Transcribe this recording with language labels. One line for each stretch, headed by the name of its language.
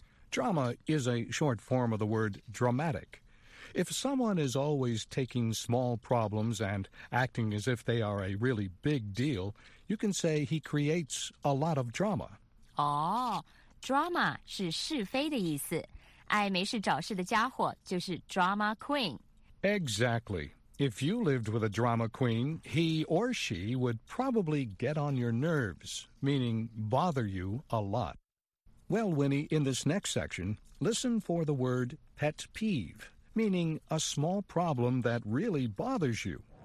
English: Drama is a short form of the word dramatic. If someone is always taking small problems and acting as if they are a really big deal, you can say he creates a lot of drama.
Chinese: Oh, drama 是是非的意思。爱没事找事的家伙就是 drama queen.
English: Exactly. If you lived with a drama queen, he or she would probably get on your nerves, meaning bother you a lot. Well, Winnie, in this next section, listen for the word pet peeve. Meaning a small problem that really bothers you.